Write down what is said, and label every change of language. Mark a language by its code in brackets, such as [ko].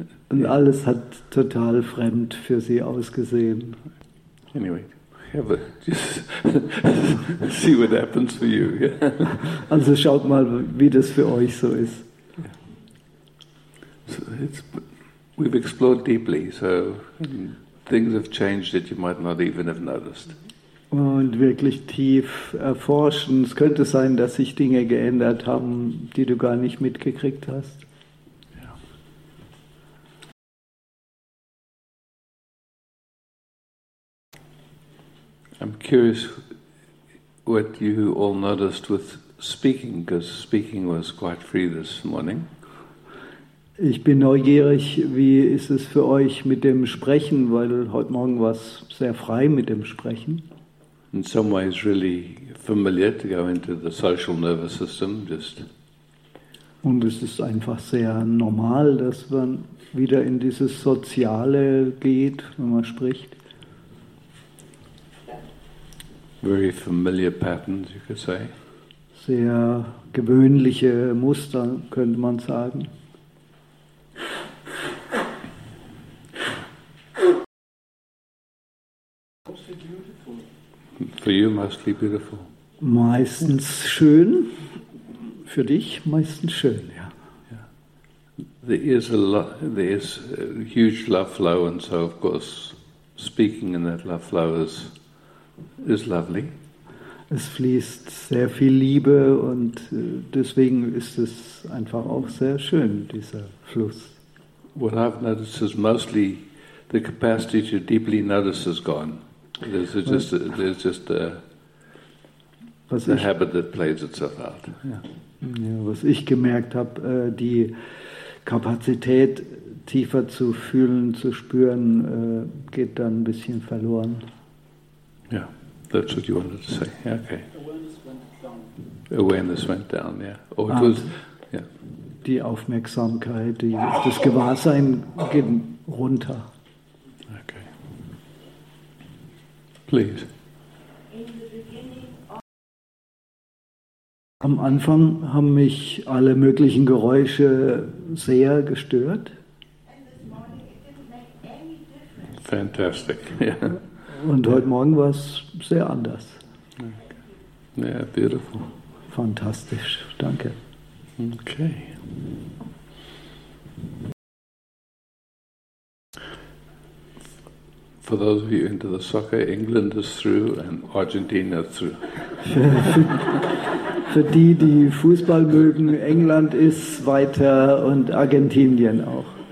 [de] Und alles hat total fremd für sie ausgesehen. [en] Anyway, just see what happens for you. [de] Also schaut mal, wie das für euch so ist. [en] So we've explored deeply, so things have changed that you might not even have noticed. [de] Und wirklich tief erforschen. Es könnte sein, dass sich Dinge geändert haben, die du gar nicht mitgekriegt hast. [en] Yeah. I'm curious what you all noticed with speaking, because speaking was quite free this morning. [de] Ich bin neugierig, wie ist es für euch mit dem Sprechen, weil heute Morgen war es sehr frei mit dem Sprechen. [en] In some ways really familiar to go into the social nervous system, just. [de] Und es ist einfach sehr normal, dass man wieder in dieses Soziale geht, wenn man spricht. [en] Very familiar patterns, you could say. [de] Sehr gewöhnliche Muster, könnte man sagen. [en] For you, mostly beautiful. [de] Meistens schön. Für dich meistens schön, ja. [en] There is a huge love flow, and so of course, speaking in that love flow is lovely. [de] Es fließt sehr viel Liebe und deswegen ist es einfach auch sehr schön, dieser Fluss. [en] What I've noticed is mostly the capacity to deeply notice is gone. There's just a habit that plays itself out. [de] Ja. Ja, was ich gemerkt habe, die Kapazität tiefer zu fühlen, zu spüren, geht dann ein bisschen verloren. [en] Ja, yeah, that's what you wanted to say. Yeah, okay. Awareness went down. Yeah. Or it was, yeah. [de] Die Aufmerksamkeit, das Gewahrsein geht runter. [en] Okay. Please. [de] Am Anfang haben mich alle möglichen Geräusche sehr gestört. [en] Fantastic. [de] Und heute Morgen war es sehr anders. [en] Yeah, beautiful. [de] Fantastisch, danke. [en] Okay. For those of you into the soccer, England is through and Argentina is through. [de] Für die, die Fußball mögen, England ist weiter und Argentinien auch.